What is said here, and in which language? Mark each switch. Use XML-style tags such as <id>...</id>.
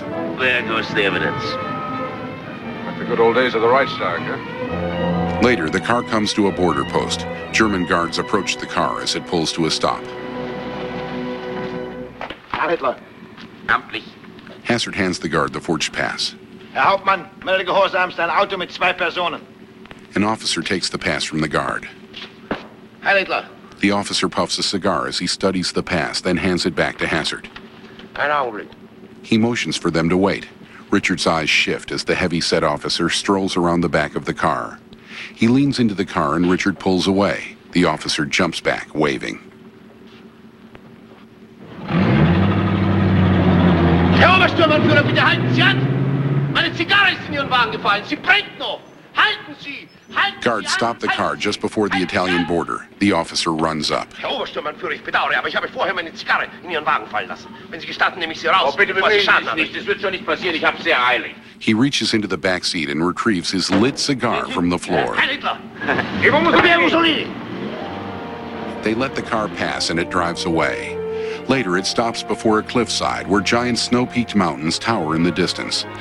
<en>Where goes the evidence? Like the good old days of the Reichstag, huh? Later, the car comes to a border post. German guards approach the car as it pulls to a stop.</en> <de>Herr Hitler. Amtlich.</de> <en>Hassard hands the guard the forged pass.</en> <de>Herr Hauptmann, melde gehorsamst ein Auto mit zwei Personen.</de> <en>An officer takes the pass from the guard.</en> <de>Heil Hitler.</de> <en>The officer puffs a cigar as he studies the pass, then hands it back to Hassard. He motions for them to wait. Richard's eyes shift as the heavy-set officer strolls around the back of the car. He leans into the car and Richard pulls away. The officer jumps back, waving.</en> <de>Herr Obersturmführer, bitte halten Sie an! Meine Zigarre ist in Ihren Wagen gefallen. Sie brennt noch! Halten Sie!</de> <en>Guards stop the car just before the Italian border. The officer runs up.</en> <de>Herr Obersturmführer, ich bedauere, aber ich habe vorher meine Zigarre in Ihren Wagen fallen lassen. Wenn Sie gestatten, nehme ich sie raus. Oh, bitte bemühen Sie sich nicht. Das wird schon nicht passieren. Ich habe sehr eilig.</de> <en>He reaches into the back seat and retrieves his lit cigar from the floor. They let the car pass and it drives away. Later, it stops before a cliffside where giant snow-peaked mountains tower in the distance.</en>